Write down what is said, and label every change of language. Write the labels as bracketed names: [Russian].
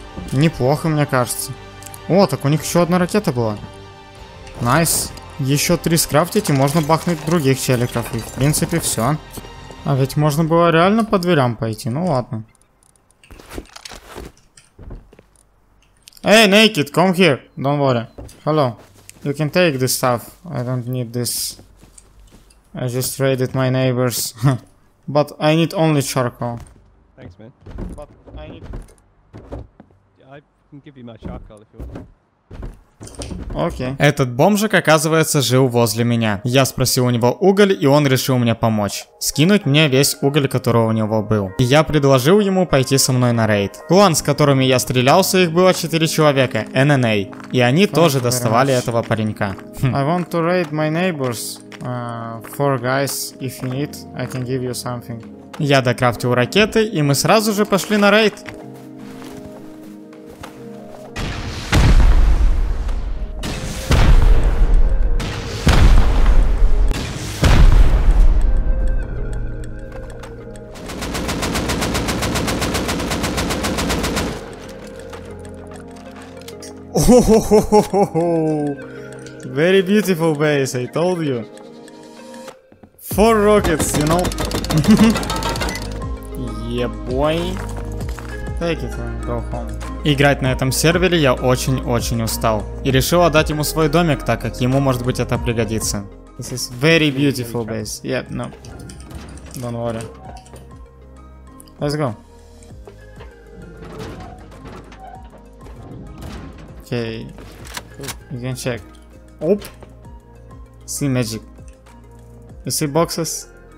[Russian] Неплохо, мне кажется. О, так у них еще одна ракета была. Найс. Еще 3 скрафтить, и можно бахнуть других челиков. И, в принципе, все. А ведь можно было реально по дверям пойти, ну ладно. [English] Эй, hey, naked, come here. Don't worry. Hello. You can take this stuff. I don't need this. I just raided my neighbors. But I need only charcoal. Thanks, man. But I need... I can give you my charcoal if you want. [Russian] Окей. Этот бомжик, оказывается, жил возле меня. Я спросил у него уголь, и он решил мне помочь. Скинуть мне весь уголь, который у него был. И я предложил ему пойти со мной на рейд. Клан, с которыми я стрелялся, их было 4 человека, NNA. И они тоже доставали этого паренька. [English] I want to raid my neighbors. 4 guys, if you need, I can give you something. [Russian] Я докрафтил ракеты, и мы сразу же пошли на рейд. [English] Very beautiful base, I told you. 4 rockets, you know. Yeah, boy. Take it and go home. [Russian] Играть на этом сервере я очень-очень устал. И решил отдать ему свой домик, так как ему, может быть, это пригодится. [English] This is very beautiful base. Yeah, no. Don't worry. Let's go. Окей, you can check. Оп! See magic. You see boxes?